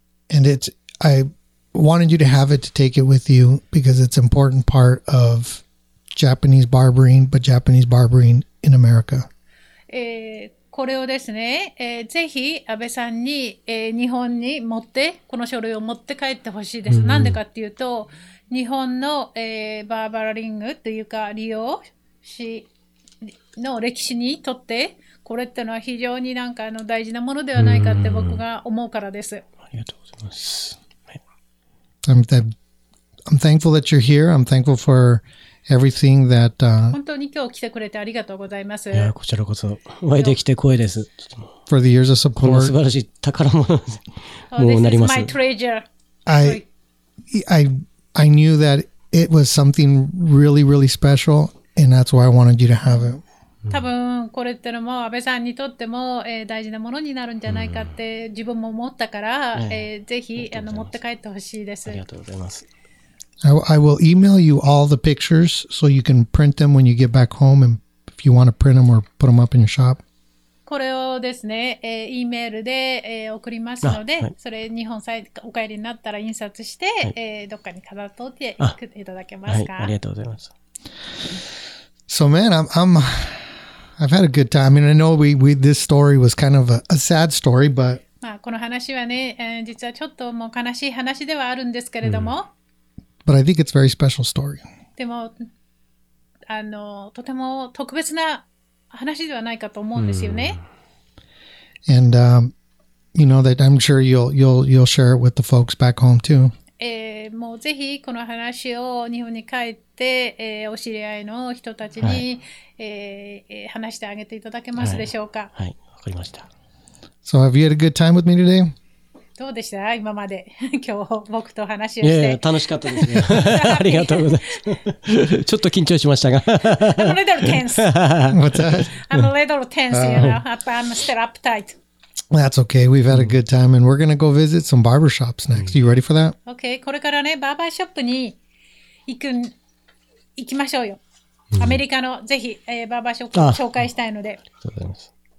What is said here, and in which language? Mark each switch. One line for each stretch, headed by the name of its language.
English: And it's, I wanted you to have it to take it with you because it's an important part of Japanese barbering, but Japanese barbering in America.
Japanese: これをですね、ぜひ安倍さんに、日本に持ってこの書類を持って帰ってほしいです。なんでかっていうと、日本の、バーバラリングというか利用しの歴史にとってこれってのは非常になんか大事なものではないかって僕が思うからです。ありがとうございます。
English: I'm thankful that you're here. I'm thankful for. Everything that,
Japanese: 本当に今日来てくれてありがとうございます。いやこちらこそお会いできて光栄です。
English: For the years of support.
Japanese: この素晴らしい宝物もなります。
English: Oh, this is my treasure. I knew that it was something really, really special, and that's why I wanted you to have it.
Japanese: 多分これってのも安倍さんにとっても、大事なものになるんじゃないかって自分も思ったから、ぜひ持って帰ってほしいです。ありがとうございます。
English: I will email you all the pictures so you can print them when you get back home and if you want to print them or put them up in your shop.
Japanese: これをですね、E メールで、送りますので、はい、それ日本さえお帰りになったら印刷して、はい、どっかに飾っておいていただけますか。はい、ありがとうございます。
English: So man, I'm I've had a good time. I mean, I know we this story was kind of a sad story, but... But I think it's a very special story. And, you know, that I'm sure you'll share it with the folks back home too.
Japanese: もうぜひこの話を日本に帰って、お知り合いの人たちに、はい話してあげていただけますでしょうか。はい、わかりました。
English: So have you had a good time with me today?
Japanese: どうでした今まで今日僕と話をして。いやいや楽しかったですね。ありがとうございます。ちょっと緊張しましたが。
English: I'm a little tense. What's that? I'm a little tense, you know. I'm still uptight. That's okay. We've had a good time, and we're going to go visit some barbershops next. Are you ready for that? Okay.
Japanese: これからね、バーバーショップに行きましょうよ。アメリカのぜひ、バーバーショップを紹介したいので。ありがとうございます。